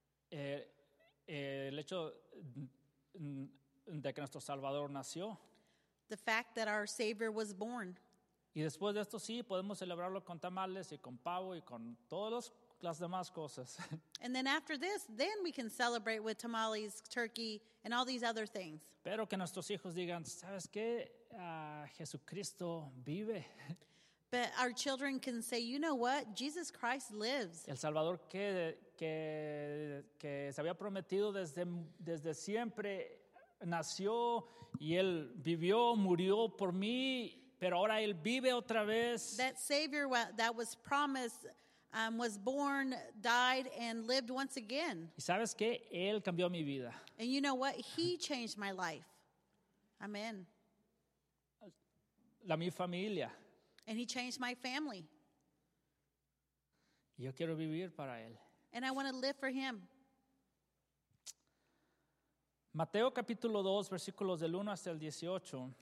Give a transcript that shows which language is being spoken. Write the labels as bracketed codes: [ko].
[es] el hecho de que nuestro Salvador nació. [en] the fact that our Savior was born. [es] Y después de esto sí, podemos celebrarlo con tamales y con pavo y con todas las demás cosas. [en] And then after this, then we can celebrate with tamales, turkey, and all these other things. [es] Pero que nuestros hijos digan, ¿sabes qué? Jesucristo vive. [en] But our children can say, you know what? Jesus Christ lives. [es] El Salvador que se había prometido desde siempre nació y él vivió, murió por mí. Pero ahora él vive otra vez. [en] That Savior that was promised was born, died, and lived once again. [es] ¿Y sabes qué? Él cambió mi vida. [en] And you know what? He changed my life. Amen. [es] La mi familia. [en] And he changed my family. [es] Yo quiero vivir para él. [en] And I want to live for him. [es] Mateo capítulo 2, versículos del 1 hasta el 18.